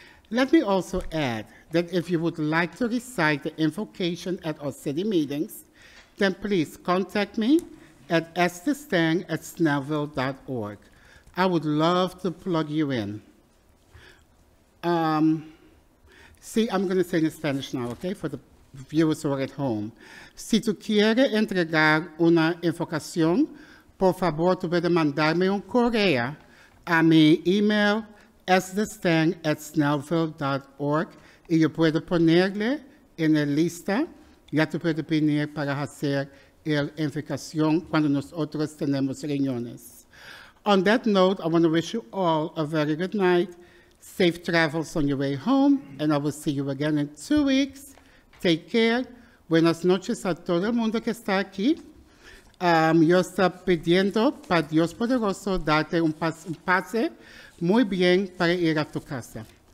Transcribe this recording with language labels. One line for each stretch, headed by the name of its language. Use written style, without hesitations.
English: Let me also add that if you would like to recite the invocation at our city meetings, then please contact me at estestang@snellville.org. I would love to plug you in. I'm going to say in Spanish now, okay, for the viewers who are at home.
Spanish: Si tú quieres entregar una invocación, por favor, tú puedes mandarme un correo a mi email estestang@snellville.org y yo puedo ponerle en la lista, ya tú puedes venir para hacer el invocación cuando nosotros tenemos reuniones.
English: On that note, I want to wish you all a very good night, safe travels on your way home, and I will see you again in 2 weeks. Take care.
Spanish: Buenas noches a todo el mundo que está aquí. Yo estoy pidiendo para Dios Poderoso darte un pase muy bien para ir a tu casa.